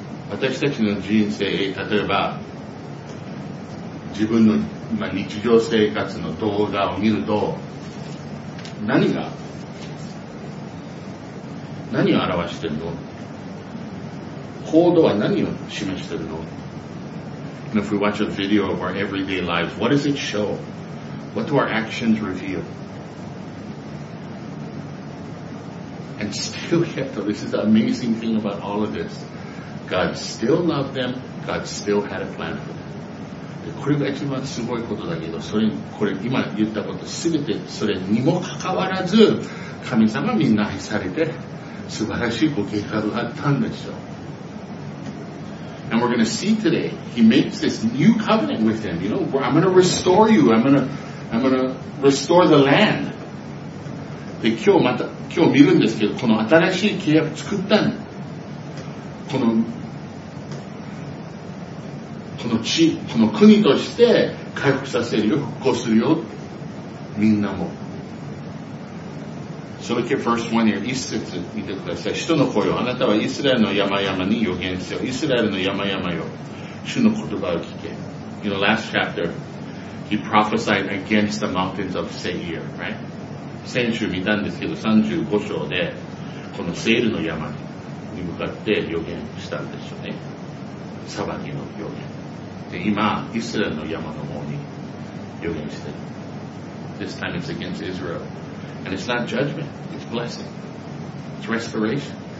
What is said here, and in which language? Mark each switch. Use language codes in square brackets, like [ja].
[ja] 私たちの人生、例えば自分の日常生活の動画を見ると何を表してるの? 行動は何を示してるの? [en] And if we watch a video of our everyday lives, what does it show? What do our actions reveal? And still yet, though, this is the amazing thing about all of this. God still loved them. God still had a plan for them. [ja] で、これが一番すごいことだけど、それ、これ今言ったこと全てそれにもかかわらず、神様みんな愛されて、素晴らしいご計画があったんでしょう。 [en] And we're going to see today, he makes this new covenant with them. You know, I'm going to restore you. I'm going to restore the land. [ja] で、今日見るんですけど、この新しい契約作ったん。この地、この国として回復させるよ、復興するよ、みんなも。 [en] So look at verse 1 here. [ja] 1節見てください。使徒の声よ。あなたはイスラエルの山々に予言せよ。イスラエルの山々よ。主の言葉を聞け。 [en] In the last chapter, he prophesied against the mountains of Seir, right? [ja] 先週見たんですけど、35章で、このセイルの山に向かって予言したんですよね。裁きの予言。で、今、イスラエルの山の方に予言してる。 [en] This time it's against Israel. And it's not judgment, it's blessing. It's restoration.